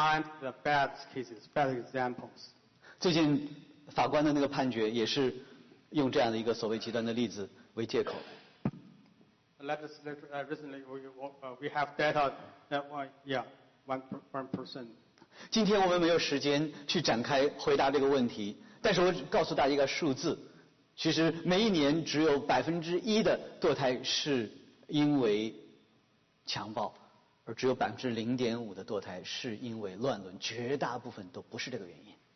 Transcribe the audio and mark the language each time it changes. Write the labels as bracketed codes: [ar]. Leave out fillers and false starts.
[en] I have to answer that normally the extreme cases often times the bad cases, bad examples. [zh] 最近法官的那个判决也是用这样的一个所谓极端的例子为借口。 [en] Recently we have data that one person. [zh] 今天我们没有时间去展开回答这个问题，但是我告诉大家一个数字，其实每一年只有1%的堕胎是因为强暴，而只有0.5%的堕胎是因为乱伦，绝大部分都不是这个原因。